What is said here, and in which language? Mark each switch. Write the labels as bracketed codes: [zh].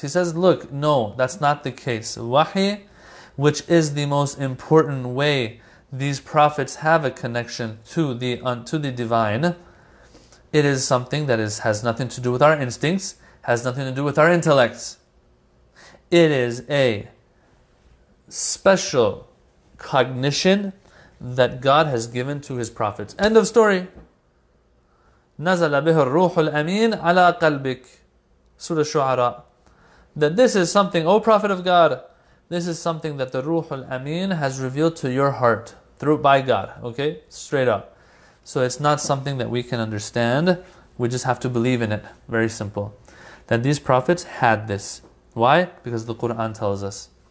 [en] He says, look, no, that's not the case. Wahi, which is the most important way these prophets have a connection to the divine, it is something that has nothing to do with our instincts, has nothing to do with our intellects. It is a special cognition that God has given to His prophets. End of story. [ar] نَزَلَ بِهُ الرُّوحُ الْأَمِينَ عَلَىٰ قَلْبِكَ Surah Shu'ara. [en] That this is something, O Prophet of God, this is something that the Ruh al-Amin has revealed to your heart through by God. Okay? Straight up. So it's not something that we can understand. We just have to believe in it. Very simple. That these prophets had this. Why? Because the Quran tells us.